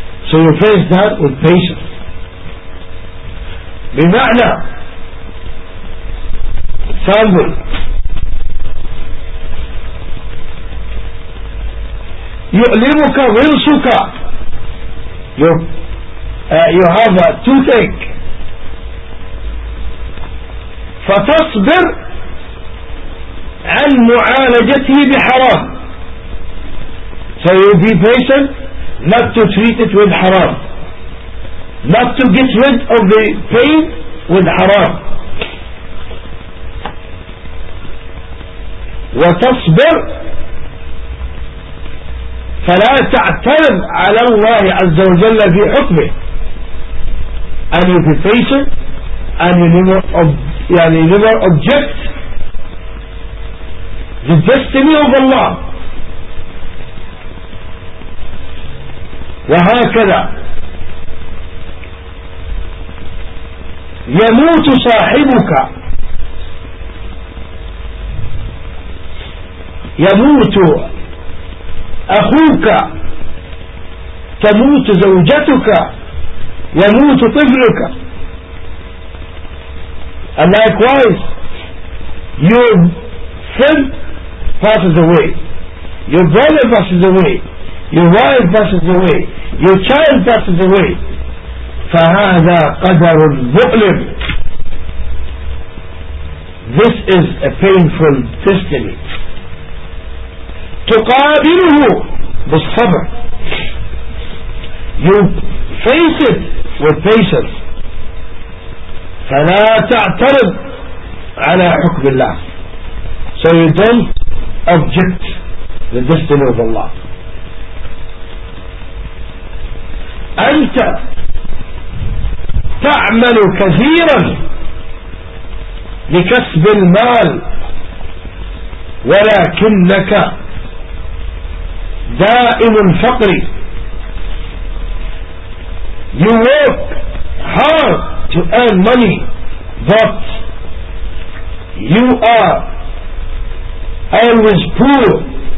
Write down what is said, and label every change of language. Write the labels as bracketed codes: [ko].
[en] So you face that with patience. [ar] بمعنى [en] example, [ar] يؤلمك ورسك, [en] you have a toothache, [ar] فتصبر عن معالجته بحرام. [en] So you be patient not to treat it with حرام, not to get rid of the pain with حرام. [ar] وتصبر فلا تعترض على الله عز وجل في حكمه. [en] And you be patient and you never object the destiny of Allah. [ar] وهكذا يموت صاحبك, يموت أخوك, تموت زوجتك, يموت طفلك. [en] And likewise, your friend passes away, your brother passes away, your wife passes away, your child passes away. [ar] فَهَذَا قَدَرٌ مُؤْلِمٌ. [en] This is a painful destiny. [ar] تُقَابِلُهُ بِالصَّبْرِ. [en] You face it with patience. [ar] فلا تعترض على حكم الله. [en] So you don't object the destiny of Allah. [ar] أنت تعمل كثيرا لكسب المال ولكنك دائم الفقر. [en] You work hard to earn money, but you are always poor.